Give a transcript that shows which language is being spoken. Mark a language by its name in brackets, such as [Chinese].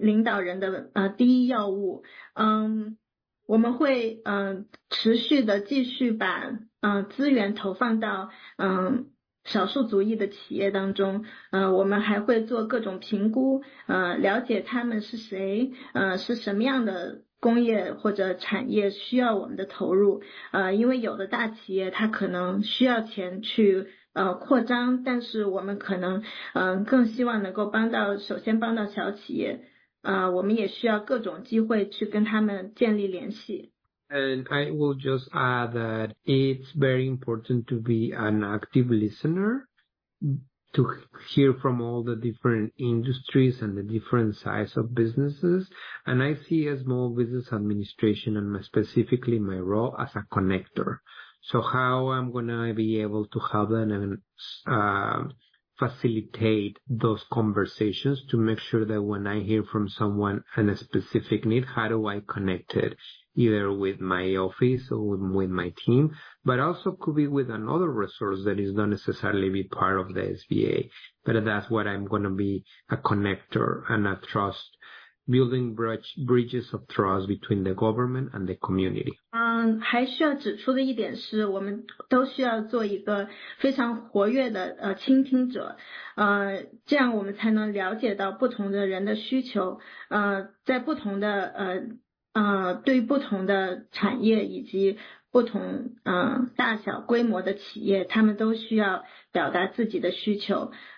[Chinese] 像我一直所说的那样，公平性是这个我这一届领导人的第一要务。我们会持续的继续把资源投放到少数族裔的企业当中，我们还会做各种评估，了解他们是谁，是什么样的工业或者产业需要我们的投入，因为有的大企业它可能需要钱去扩张，但是我们可能更希望能够帮到，首先帮到小企业，我们也需要各种机会去跟他们建立联系。 [English] And I will just add that it's very important to be an active listener, to hear from all the different industries and the different size of businesses. And I see a small business administration and specifically my role as a connector. So how I'm going to be able to help them and facilitate those conversations to make sure that when I hear from someone and a specific need, how do I connect it? Either with my office or with my team, but also could be with another resource that is not necessarily be part of the SBA. But that's what I'm going to be, a connector and a trust, building bridges of trust between the government and the community. [Chinese] 还需要指出的一点是，我们都需要做一个非常活跃的倾听者，这样我们才能了解到不同的人的需求，在不同的对于不同的产业以及不同大小规模的企业，他们都需要表达自己的需求。